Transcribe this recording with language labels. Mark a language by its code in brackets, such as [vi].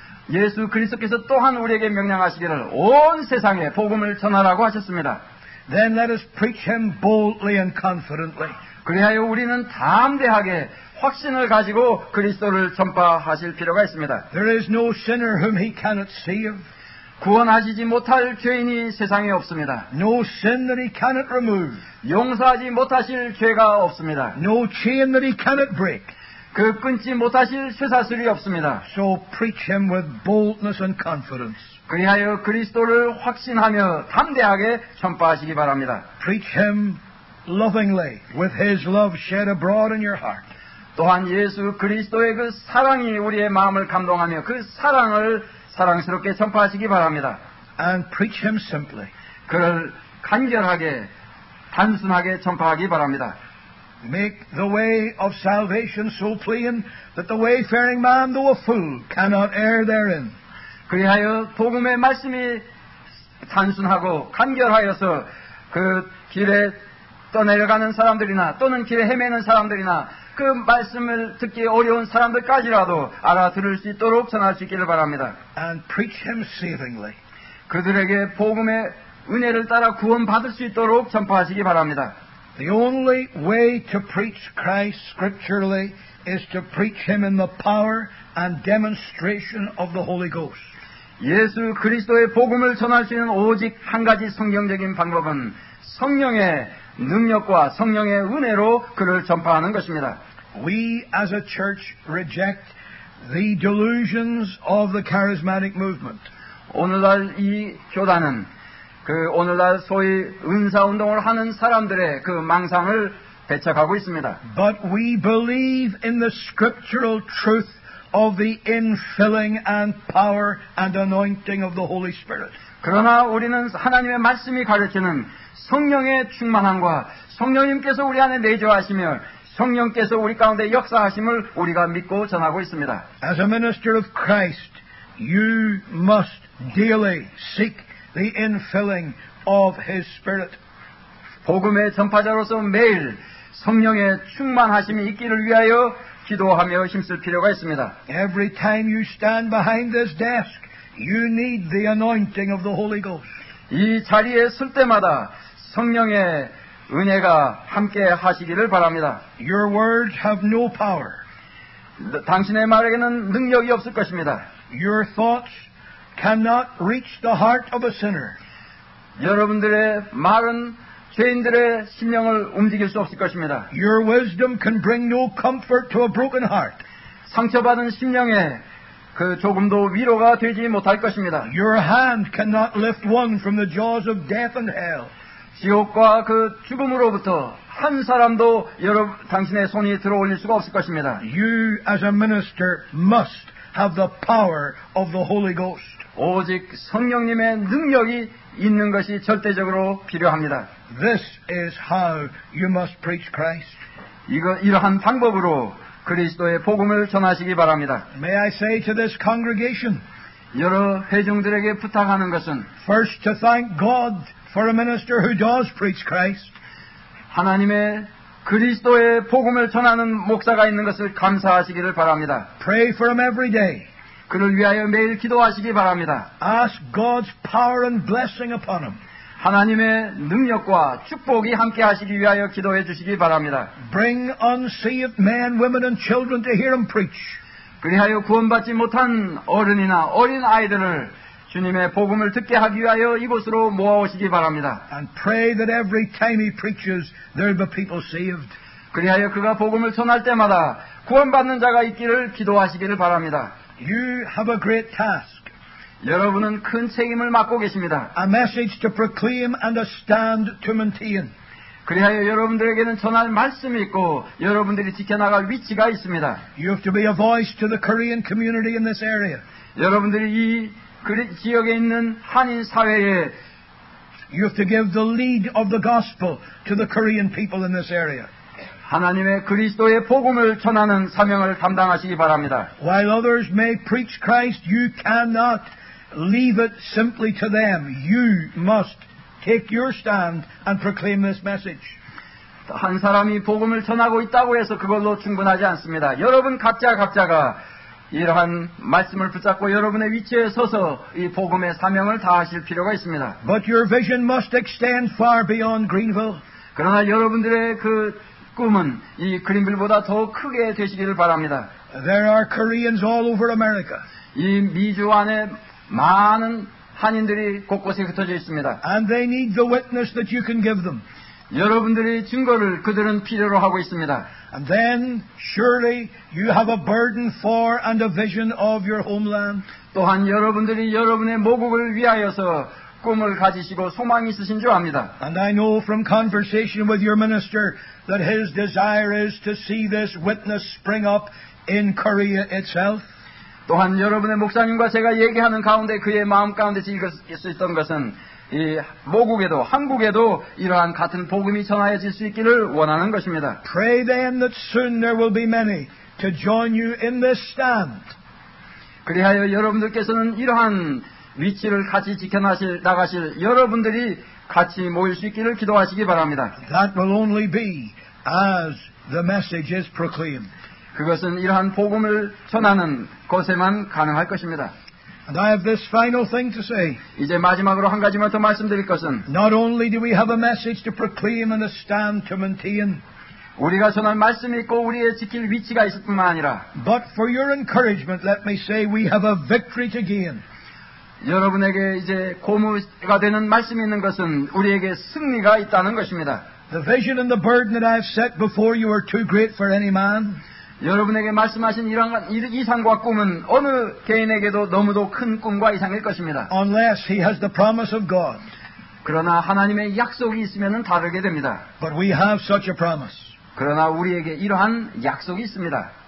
[ko] 예수 그리스도께서 또한 우리에게 명령하시기를 온 세상에 복음을 전하라고 하셨습니다. [en] Then let us preach Him boldly and confidently. [ko] 그리하여 우리는 담대하게 확신을 가지고 그리스도를 전파하실 필요가 있습니다. [en] There is no sinner whom He cannot save. [ko] 구원하시지 못할 죄인이 세상에 없습니다. [en] No sin that He cannot remove. [ko] 용서하지 못하실 죄가 없습니다. [en] No chain that He cannot break. [ko] 그 끊지 못하실 쇠사슬이 없습니다. [en] So preach Him with boldness and confidence. [ko] 그리하여 그리스도를 확신하며 담대하게 전파하시기 바랍니다. [en] Preach Him lovingly, with His love shed abroad in your heart. [ko] 또한 예수 그리스도의 그 사랑이 우리의 마음을 감동하며 그 사랑을 사랑스럽게 전파하시기 바랍니다. [en] And preach Him simply. [ko] 그를 간결하게, 단순하게 전파하기 바랍니다. [en] Make the way of salvation so plain that the wayfaring man, though a fool, cannot err therein. [ko] 그리하여 복음의 말씀이 단순하고 간결하여서 그 길에 떠내려가는 사람들이나 또는 길에 헤매는 사람들이나 그 말씀을 듣기 어려운 사람들까지라도 알아들을 수 있도록 전할 수 있기를 바랍니다. [en] And preach Him savingly. [ko] 그들에게 복음의 은혜를 따라 구원받을 수 있도록 전파하시기 바랍니다. [en] The only way to preach Christ scripturally is to preach Him in the power and demonstration of the Holy Ghost. [ko] 예수 그리스도의 복음을 전할 수 있는 오직 한 가지 성경적인 방법은 성령의 능력과 성령의 은혜로 그를 전파하는 것입니다. [en] We as a church reject the delusions of the charismatic movement. [ko] 오늘날 이 교단은 그 오늘날 소위 은사 운동을 하는 사람들의 그 망상을 배척하고 있습니다. [en] But we believe in the scriptural truth of the infilling and power and anointing of the Holy Spirit. [ko] 그러나 우리는 하나님의 말씀이 가르치는 성령의 충만함과 성령님께서 우리 안에 내주하시며 성령께서 우리 가운데 역사하심을 우리가 믿고 전하고 있습니다. [en] As a minister of Christ, you must daily seek the infilling of His Spirit. [ko] 복음의 전파자로서 매일 성령의 충만하심이 있기를 위하여 기도하며 힘쓸 필요가 있습니다. [en] Every time you stand behind this desk, you need the anointing of the Holy Ghost. [ko] 이 자리에 설 때마다 성령의 은혜가 함께 하시기를 바랍니다. [en] Your words have no power. [ko] 당신의 말에게는 능력이 없을 것입니다. [en] Your thoughts cannot reach the heart of a sinner. [ko] 여러분들의 말은 죄인들의 심령을 움직일 수 없을 것입니다. [en] Your wisdom can bring no comfort to a broken heart. [ko] 상처받은 심령에 그 조금도 위로가 되지 못할 것입니다. [en] Your hand cannot lift one from the jaws of death and hell. [ko] 지옥과 그 죽음으로부터 한 사람도 여러분 당신의 손이 들어올릴 수가 없을 것입니다. [en] You as a minister must have the power of the Holy Ghost. [ko] 오직 성령님의 능력이 있는 것이 절대적으로 필요합니다. [en] This is how you must preach Christ. [ko] 이러한 방법으로 그리스도의 복음을 전하시기 바랍니다. [en] May I say to this congregation? [ko] 여러 회중들에게 부탁하는 것은 [en] First to thank God for a minister who does preach Christ. [ko] 하나님의 그리스도의 복음을 전하는 목사가 있는 것을 감사하시기를 바랍니다. [en] Pray for him every day. [ko] 그를 위하여 매일 기도하시기 바랍니다. [en] Ask God's power and blessing upon him. [ko] 하나님의 능력과 축복이 함께 하시기 위하여 기도해 주시기 바랍니다. [en] Bring unsaved men, women and children to hear him preach. [ko] 그리하여 구원받지 못한 어른이나 어린 아이들을 주님의 복음을 듣게 하기 위하여 이곳으로 모아오시기 바랍니다. [en] And pray that every time he preaches, there'll be people saved. [ko] 그리하여 그가 복음을 전할 때마다 구원받는 자가 있기를 기도하시기를 바랍니다. [en] You have a great task. [ko] 여러분은 큰 책임을 맡고 계십니다. [en] A message to proclaim and a stand to maintain. [ko] 그리하여 여러분들에게는 전할 말씀이 있고 여러분들이 지켜나갈 위치가 있습니다. [en] You have to be a voice to the Korean community in this area. [ko] 여러분들이 이 지역에 있는 한인 사회에 [en] You have to give the lead of the gospel to the Korean people in this area. [ko] 하나님의 그리스도의 복음을 전하는 사명을 담당하시기 바랍니다. [en] While others may preach Christ, you cannot leave it simply to them. You must take your stand and proclaim this message. [ko] 한 사람이 복음을 전하고 있다고 해서 그걸로 충분하지 않습니다. 여러분 각자가 이러한 말씀을 붙잡고 여러분의 위치에 서서 이 복음의 사명을 다하실 필요가 있습니다. [en] But your vision must extend far beyond Greenville. [ko] 그러나 여러분들의 그 꿈은 이 그린빌보다 더 크게 되시기를 바랍니다. [en] There are Koreans all over America. [ko] 이 미주 안에 많은 한인들이 곳곳에 흩어져 있습니다. [en] And they need the witness that you can give them. [ko] 여러분들의 증거를 그들은 필요로 하고 있습니다. [en] And then surely you have a burden for and a vision of your homeland. [ko] 또한 여러분들이 여러분의 모국을 위하여서 꿈을 가지시고 소망이 있으신 줄 압니다. [en] And I know from conversation with your minister that his desire is to see this witness spring up in Korea itself. [ko] 또한 여러분의 목사님과 제가 얘기하는 가운데 그의 마음 가운데 있었던 것은 이 모국에도 한국에도 이러한 같은 복음이 전하여질 수 있기를 원하는 것입니다. [en] Pray then that soon there will be many to join you in this stand. [ko] 그리하여 여러분들께서는 이러한 위치를 같이 지켜나가실 여러분들이 같이 모일 수 있기를 기도하시기 바랍니다. [en] That will only be as the message is proclaimed. [ko] 그것은 이러한 복음을 전하는 것에만 가능할 것입니다. [en] And I have this final thing to say. [ko] 이제 마지막으로 한 가지만 더 말씀드릴 것은 [en] Not only do we have a message to proclaim and a stand to maintain. [ko] 우리가 전할 말씀이 있고 우리의 지킬 위치가 있을 뿐만 아니라 [en] But for your encouragement, let me say we have a victory to gain. [ko] 여러분에게 이제 고무가 되는 말씀이 있는 것은 우리에게 승리가 있다는 것입니다. [en] The vision and the burden that I have set before you are too great for any man. [ko] 여러분에게 말씀하신 이런 이상과 꿈은 어느 개인에게도 너무도 큰 꿈과 이상일 것입니다. [en] Unless he has the promise of God. [ko] 그러나 하나님의 약속이 있으면은 다르게 됩니다. [en] But we have such a promise. [ko] 그러나 우리에게 이러한 약속이 있습니다.